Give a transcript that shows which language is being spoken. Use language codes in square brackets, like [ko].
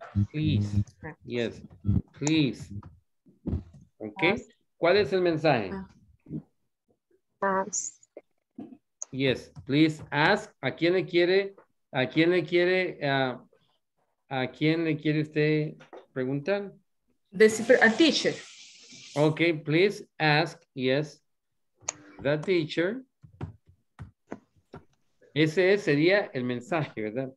[en] Please. Yes. Please. Ok. [es] ¿Cuál es el mensaje? [en] Ask. Yes. Please ask. [es] ¿A quién le quiere? ¿A quién le quiere? ¿A quién le quiere usted preguntar? [en] A teacher. Okay, please ask, yes, the teacher. [es] Ese sería el mensaje, ¿verdad?